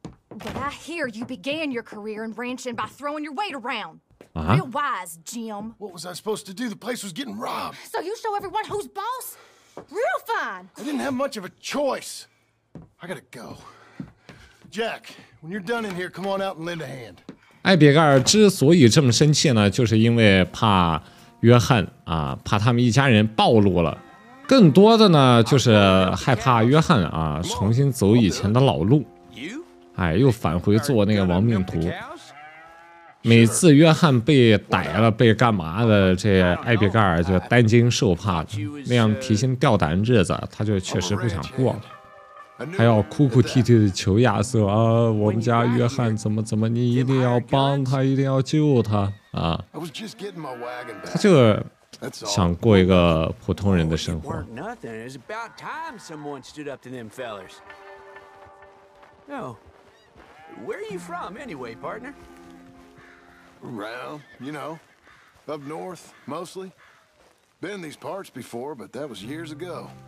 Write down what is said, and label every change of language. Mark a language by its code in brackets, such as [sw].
[en] But I hear you began your career in ranching by throwing your weight around. Uh-huh. Real wise, Jim. What was I supposed to do? The place was getting robbed. So you show everyone who's boss? Real fine. I didn't have much of a choice. I gotta go. Jack, when you're done in here, come on out and lend a hand. [zh] 艾比盖尔之所以这么生气呢，就是因为怕约翰啊，怕他们一家人暴露了。更多的呢，就是害怕约翰啊，重新走以前的老路。哎，又返回做那个亡命徒。每次约翰被逮了、被干嘛的，这艾比盖尔就担惊受怕的，那样提心吊胆日子，他就确实不想过了。还要哭哭啼啼的求亚瑟啊，我们家约翰怎么怎么，你一定要帮他，一定要救他啊！他就想过一个普通人的生活。 [en] Nothing. It's about time someone stood up to them fellers. No. Where are you from, anyway, partner? Around, you know, up north mostly. Been in these parts before, but that was years ago.